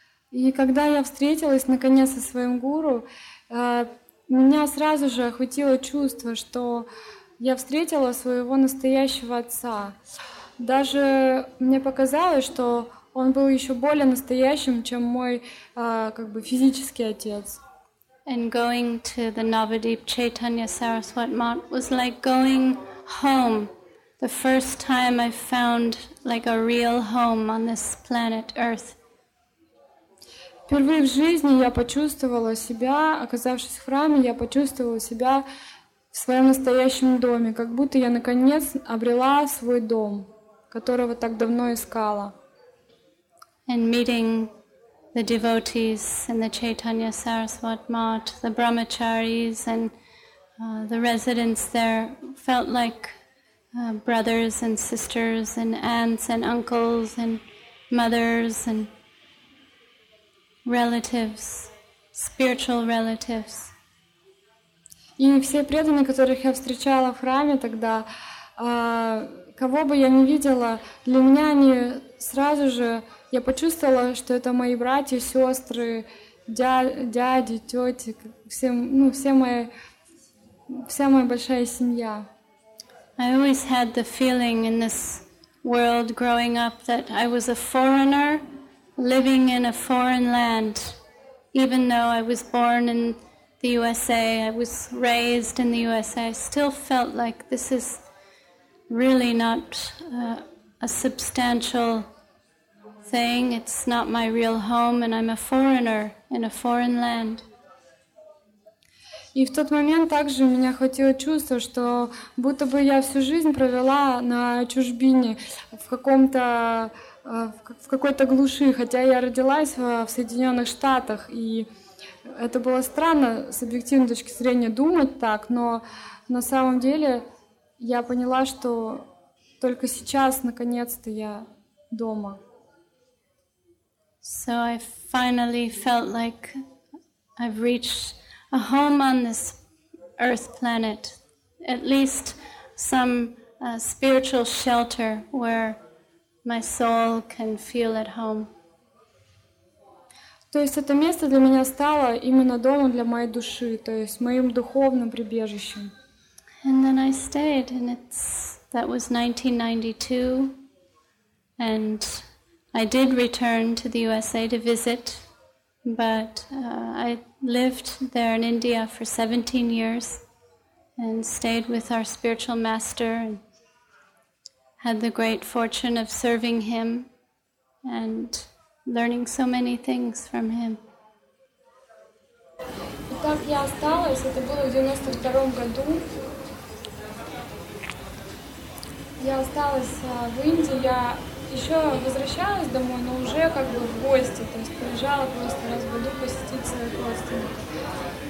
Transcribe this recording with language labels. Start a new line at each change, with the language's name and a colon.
Russian: И когда я встретилась наконец со своим гуру, меня сразу же охватило чувство, что я встретила своего настоящего отца. Даже мне показалось, что он был еще более настоящим, чем мой физический отец.
English: And going to the Navadvip Chaitanya Saraswat Mart was like going home. The first time I found a real home on this planet Earth.
Russian: Впервые в жизни я почувствовала себя, оказавшись в храме, я почувствовала себя в своем настоящем доме, как будто я наконец обрела свой дом, которого так давно искала.
English: And meeting the devotees in the Chaitanya Saraswat Mart, the brahmacharis and the residents there felt like brothers and sisters and aunts and uncles and mothers and relatives, spiritual relatives.
Russian: И все преданные, которых я встречала в храме тогда, кого бы я ни видела, для меня они сразу же, я почувствовала, что это мои братья, сестры, дяди, тети, вся моя большая семья.
English: I always had the feeling in this world growing up that I was a foreigner living in a foreign land, even though I was born in the USA, I was raised in the USA, I still felt like this is really not a substantial saying it's not my real home and I'm a foreigner in a foreign land.
Russian: И в тот момент также у меня хватило чувства, что будто бы я всю жизнь провела на чужбине, в какой-то глуши, хотя я родилась в Соединенных Штатах, и это было странно с объективной точки зрения думать так, но на самом деле я поняла, что только сейчас, наконец-то, я дома.
English: So I finally felt like I've reached a home on this earth planet, at least some spiritual shelter where my soul can feel at home.
Russian: То есть это место для меня стало именно домом для моей души, то есть моим духовным прибежищем.
English: And then I stayed, and that was 1992, and I did return to the USA to visit, but I lived there in India for 17 years and stayed with our spiritual master and had the great fortune of serving him and learning so many things from him.
Russian: Итак, я осталась, это было в 92 году. Я осталась в Индии, я еще возвращалась домой, но уже как бы в гости, то есть приезжала просто раз в году посетить своих родственников.